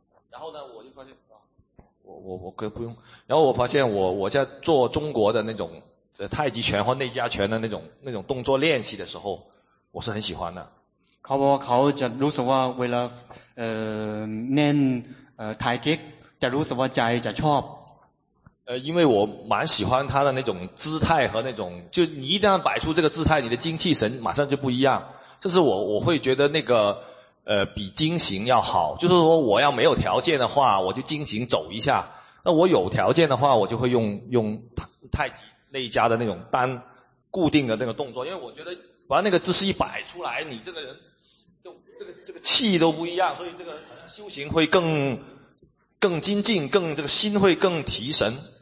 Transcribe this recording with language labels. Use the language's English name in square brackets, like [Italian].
[Chinese] 然后呢我就发现我可以不用然后我发现我在做中国的那种太极拳或内家拳的那种动作练习的时候我是很喜欢的 [Thai] เขาบอกว่าเขาจะรู้สึกว่าเวลาเล่นไทเก็กจะรู้สึกว่าใจจะชอบ [Chinese] 因为我蛮喜欢他的那种姿态和那种就你一旦摆出这个姿态你的精气神马上就不一样这是我会觉得那个比精行要好就是说我要没有条件的话我就精行走一下那我有条件的话我就会用太极内家的那种单固定的那个动作因为我觉得把那个姿势一摆出来你这个人这个气都不一样，所以这个修行会更精进，更这个心会更提神。